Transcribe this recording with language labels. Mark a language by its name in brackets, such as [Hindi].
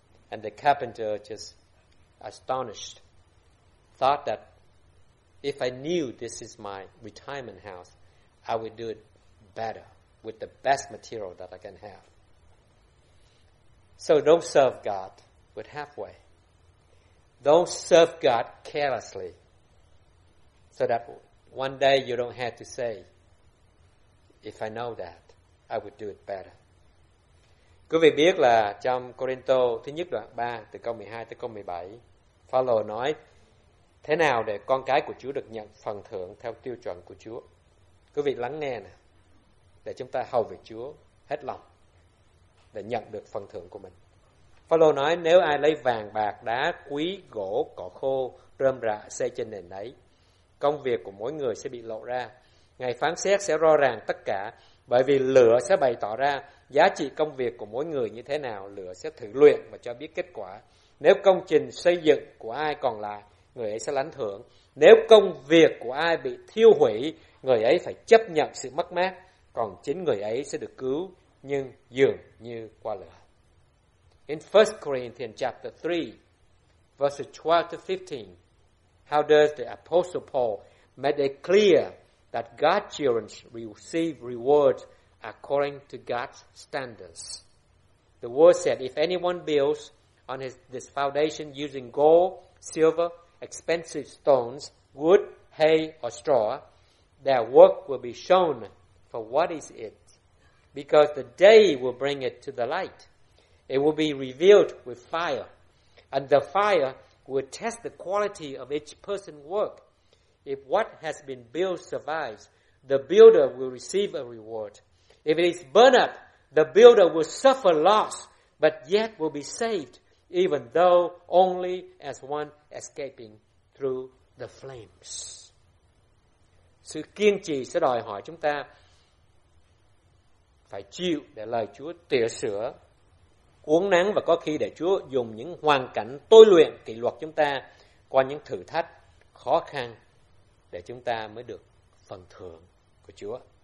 [English] And the carpenter, just astonished, thought that if I knew this is my retirement house, I would do it better with the best material that I can have. So don't serve God with halfway. Don't serve God carelessly so that one day you don't have to say, if I know that, I would do it better. [Vietnamese] Quý vị biết là trong Cô-rinh-tô thứ nhất đoạn 3 từ câu 12 tới câu 17, Phao-lô nói thế nào để con cái của Chúa được nhận phần thưởng theo tiêu chuẩn của Chúa. Quý vị lắng nghe nè, để chúng ta hầu về Chúa hết lòng để nhận được phần thưởng của mình. Phao-lô nói, nếu ai lấy vàng, bạc, đá, quý, gỗ, cỏ khô, rơm rạ xây trên nền đấy, công việc của mỗi người sẽ bị lộ ra. Ngày phán xét sẽ rõ ràng tất cả, bởi vì lửa sẽ bày tỏ ra giá trị công việc của mỗi người như thế nào. Lửa sẽ thử luyện và cho biết kết quả. Nếu công trình xây dựng của ai còn lại, người ấy sẽ lãnh thưởng. Nếu công việc của ai bị thiêu hủy, người ấy phải chấp nhận sự mất mát, còn chính người ấy sẽ được cứu, nhưng dường như qua lửa. [English] In 1 Corinthians chapter 3, verses 12 to 15, how does the Apostle Paul make it clear that God's children receive rewards according to God's standards? The word said, if anyone builds on this foundation using gold, silver, expensive stones, wood, hay, or straw, their work will be shown for what is it? Because the day will bring it to the light. It will be revealed with fire, And the fire will test the quality of each person's work. If what has been built survives, the builder will receive a reward. If it is burned up, the builder will suffer loss, but yet will be saved, even though only as one escaping through the flames. [Vietnamese] Sự kiên trì sẽ đòi hỏi chúng ta phải chịu để lời Chúa tỉa sửa, uốn nắn và có khi để Chúa dùng những hoàn cảnh tôi luyện kỷ luật chúng ta qua những thử thách khó khăn để chúng ta mới được phần thưởng của Chúa.